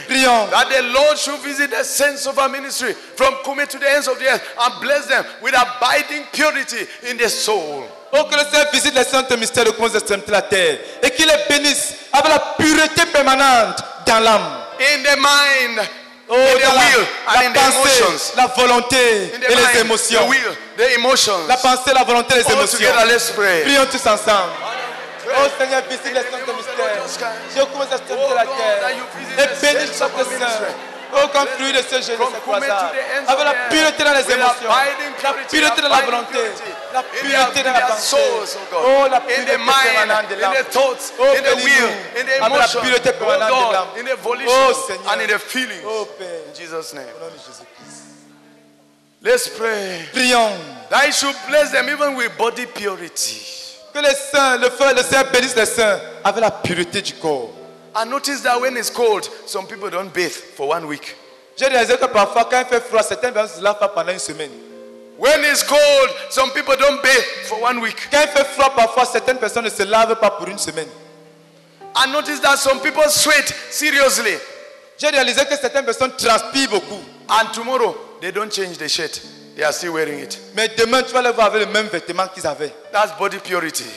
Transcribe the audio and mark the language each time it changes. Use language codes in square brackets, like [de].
[en] That the Lord should visit the saints of our ministry from Kume to the ends of the earth and bless them with abiding purity in their soul. [fr] Oh, que le Seigneur visite les saints de mystère de Kume's extrémité la terre et qu'il les bénisse avec la pureté permanente dans l'âme. [en] In the mind, in the will, and in the emotions. [fr] La volonté et les émotions. [en] The will, the emotions. [fr] La pensée, la volonté et les émotions. [en] All together, let's pray. [fr] Prions tous ensemble. Oh Seigneur, visite les saints de mystère. Je commence à se tenir la terre. Et bénis chaque saint. Oh, comme fruit de ce jeûne, c'est quoi ça? Avec la pureté dans les émotions. La pureté dans la volonté. La pureté dans la pensée. Oh, la pureté permanente de l'âme. Oh, bénis-nous. Avec la pureté permanente de l'âme. Oh Seigneur. [en] And in the feelings. [fr] Oh Père. [en] In Jesus' name. [fr] Au nom de Jésus. [en] Let's pray. [fr] Prions. [en] That you should bless them even with body purity. [fr] Que les saints, le feu, le Seigneur bénisse les saints avec la pureté du corps. [en] I noticed that when it's cold, some people don't bathe for 1 week. [fr] J'ai réalisé que parfois, quand il fait froid, certains ne se lavent pas pendant une semaine. [en] When it's cold, some people don't bathe for 1 week. [fr] Quand il fait froid, parfois certaines personnes ne se lavent pas pour une semaine. [en] I noticed that some people sweat seriously. [fr] J'ai réalisé que certaines personnes transpirent beaucoup. [en] And tomorrow, they don't change the shirt. They are still wearing it. [fr] Mais demain, tu vas les voir avec le même vêtement qu'ils avaient. [en] That's body purity.